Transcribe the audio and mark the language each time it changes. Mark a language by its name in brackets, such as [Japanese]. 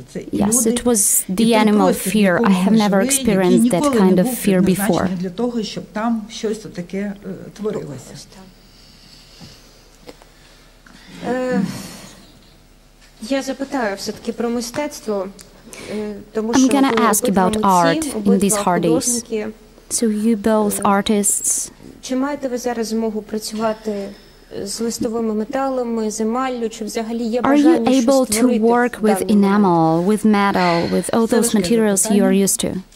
[English] Yes, it was the animal fear. I have never experienced that kind of fear before. [Ukrainian] Для того, щоб там щось таке творилося. Я запитаю все-таки про мистецтво, тому [English] що I'm going to ask about art in these hard days. So you both artists. [Ukrainian] Чи маєте ви зараз змогу працювати з листовими металами, з емаллю, чи взагалі є бажання [English] Are you able to work with enamel, with metal, with all those materials you are used to?